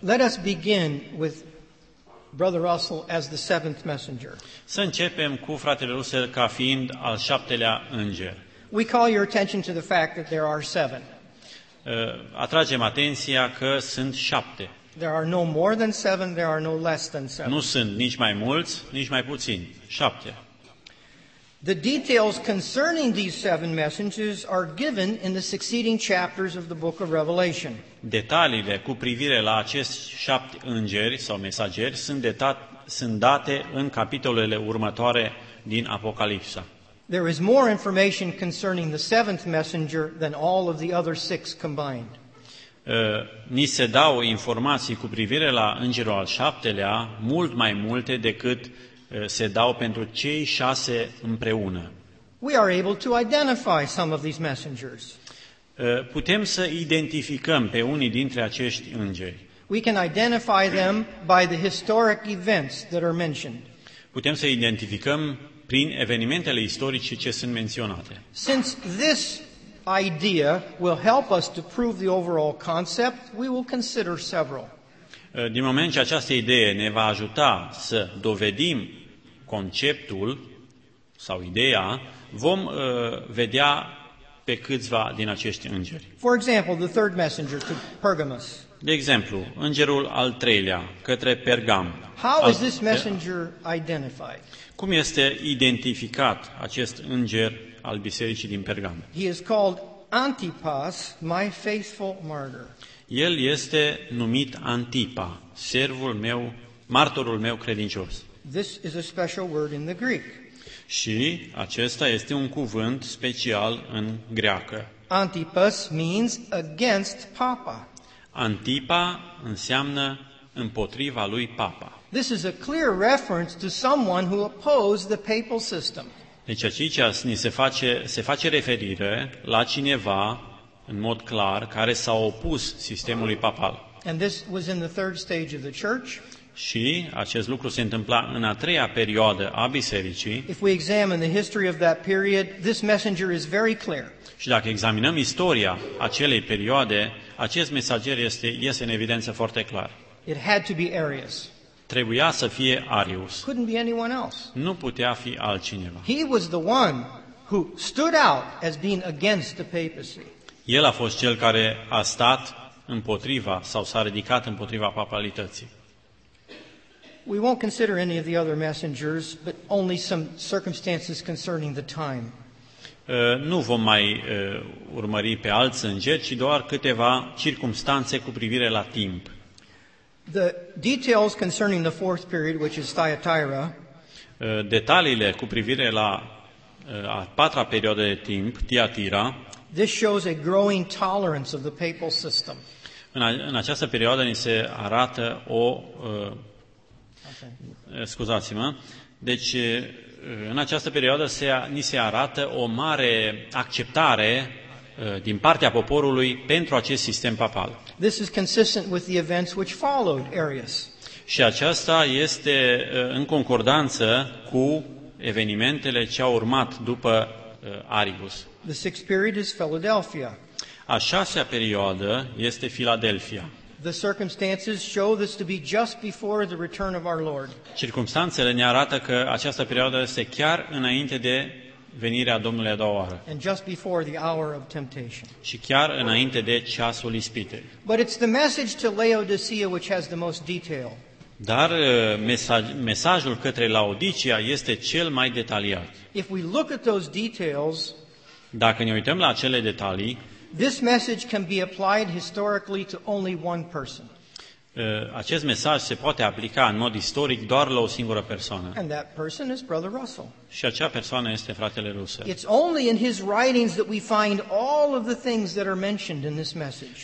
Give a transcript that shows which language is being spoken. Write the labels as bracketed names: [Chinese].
[English] Let us begin with Brother Russell as the seventh messenger. [Romanian] Să începem cu fratele Russell ca fiind al șaptelea înger. [English] We call your attention to the fact that there are seven. [Romanian] Atragem atenția că sunt șapte. [English] There are no more than seven, there are no less than seven. [Romanian] Nu sunt nici mai mulți, nici mai puțini. Șapte. [English] The details concerning these seven messengers are given in the succeeding chapters of the book of Revelation. [Romanian] Detaliile cu privire la acești șapte îngeri sau mesageri sunt date în capitolele următoare din Apocalipsa. [English] There is more information concerning the seventh messenger than all of the other six combined. [Romanian] Ni se dau informații cu privire la îngerul al șaptelea mult mai multe decât se dau pentru cei șase împreună. [English] We are able to identify some of these messengers. [Romanian] Putem să identificăm pe unii dintre acești îngeri. [English] We can identify them by the historic events that are mentioned. [Romanian] Putem să identificăm prin evenimentele istorice ce sunt menționate. [English] Since this idea will help us to prove the overall concept, we will consider several. [Romanian] Din moment ce această idee ne va ajuta să dovedim conceptul sau ideea, vom vedea pe câțiva din acești îngeri. [English] For example, the third messenger to Pergamos. [Romanian] De exemplu, îngerul al treilea către Pergam. [English] How is this messenger identified? [Romanian] Cum este identificat acest înger al bisericii din Pergam? [English] He is called Antipas, my faithful martyr. [Romanian] El este numit Antipa, servul meu, martorul meu credincios. [English] This is a special word in the Greek. [Romanian] Și acesta este un cuvânt special în greacă. [English] Antipas means against Papa. [Romanian] Antipa înseamnă împotriva lui Papa. [English] This is a clear reference to someone who opposed the papal system. [Romanian] Deci aici ni se face referire la cineva în mod clar care s-a opus sistemului papal. [English] And this was in the third stage of the church. [Romanian] Și acest lucru se întâmpla în a treia perioadă a bisericii. [English] If we examine the history of that period, this messenger is very clear. [Romanian] Și dacă examinăm istoria acelei perioade, acest mesager iese în evidență foarte clar. [English] It had to be Arius. [Romanian] Trebuia să fie Arius. [English] Couldn't be anyone else. [Romanian] Nu putea fi altcineva. [English] He was the one who stood out as being against the papacy. [Romanian] El a fost cel care a stat împotriva sau s-a ridicat împotriva papalității. [English] We won't consider any of the other messengers, but only some circumstances concerning the time. [Romanian] Nu vom mai urmări pe alți îngeri, ci doar câteva circumstanțe cu privire la timp. [English] The details concerning the fourth period, which is Thyatira. [Romanian] Detaliile cu privire la a patra perioadă de timp, Thyatira. [English] This shows a growing tolerance of the papal system. [Romanian] În această perioadă ni se arată o scuzați-mă. Deci în această perioadă ni se arată o mare acceptare din partea poporului pentru acest sistem papal. [English] This is consistent with the events which followed Arius. [Romanian] Și aceasta este în concordanță cu evenimentele ce au urmat după Arius. [English] The sixth period is Philadelphia. [Romanian] A șasea perioadă este Philadelphia. [English] The circumstances show this to be just before the return of our Lord. [Romanian] Circumstanțele ne arată că această perioadă este chiar înainte de venirea Domnului a doua oară. [English] And just before the hour of temptation. [Romanian] Și chiar înainte de ceasul ispitei. [English] But it's the message to Laodicea which has the most detail. [Romanian] Dar mesajul către Laodicea este cel mai detaliat. [English] If we look at those details, [Romanian] dacă ne uităm la acele detalii, [English] this message can be applied historically to only one person. [Romanian] Acest mesaj se poate aplica în mod istoric doar la o singură persoană. [English] And that person is Brother Russell. [Romanian] Și acea persoană este fratele Russell. [English] It's only in his writings that we find all of the things that are mentioned in this message.